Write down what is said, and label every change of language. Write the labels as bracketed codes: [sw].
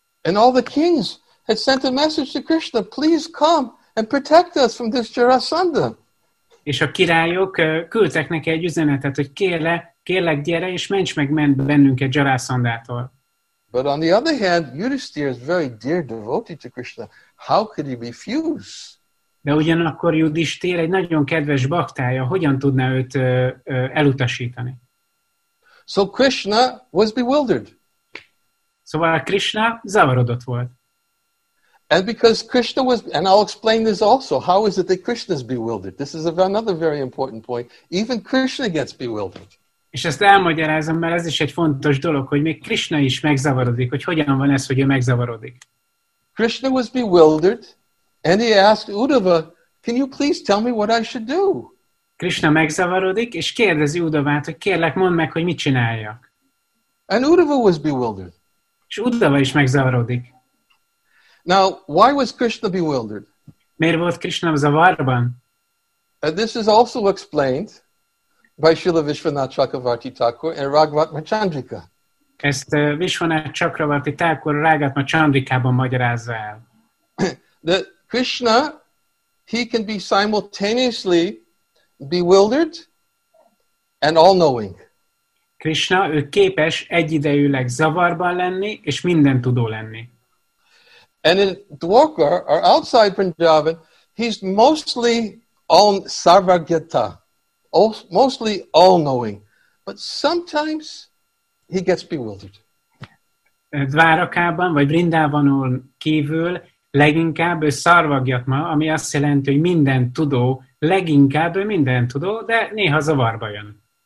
[en] And all the kings had sent a message to Krishna, please come and protect us from this Jarasandha. [hu] És a királyok küldtek neki egy üzenetet, hogy kérlek gyere és ments meg bennünket Jarasandától. [en] But on the other hand, Yudhisthira is very dear devotee to Krishna. How could he refuse? [hu] De ugyanakkor Yudhisthira egy nagyon kedves baktája, hogyan tudná őt elutasítani? [en] So Krishna was bewildered. [hu] Szóval Krishna zavarodott volt. [en] And because Krishna was, and I'll explain this also, how is it that Krishna is bewildered? This is another very important point. Even Krishna gets bewildered. [hu] És ezt elmagyarázom, mert ez is egy fontos dolog, hogy még Krishna is megzavarodik, hogy hogyan van ez, hogy ő megzavarodik. [en] Krishna was bewildered, and he asked Uddhava, can you please tell me what I should do? [hu] Krishna megzavarodik, és kérdezi Uddhavát, hogy kérlek, mondd meg, hogy mit csináljak. [en] And Uddhava was bewildered. [hu] És Uddhava is megzavarodik. [en] Now, why was Krishna bewildered? [hu] Miért volt Krishna zavarban? [en] And this is also explained by Srila Vishvanatha Chakravarti Thakur and Raghavatma Chandrika. [hu] Ezt Vishvanatha Chakravarti Thakur Raghavatma Chandrikában magyarázza el. [en] That Krishna, he can be simultaneously bewildered and all-knowing. [hu] Krishna, ő képes egyidejűleg zavarban lenni és mindentudó lenni. [en] And in Dwarka, or outside Vrindavan, he's mostly all sarvagyata. Mostly all-knowing, but sometimes he gets bewildered. [hu] Dvárakában vagy Vrindávanon kívül leginkább ő szarvagyatma, ami azt jelenti, hogy minden tudó, leginkább ő minden tudó, de néha zavarba jön.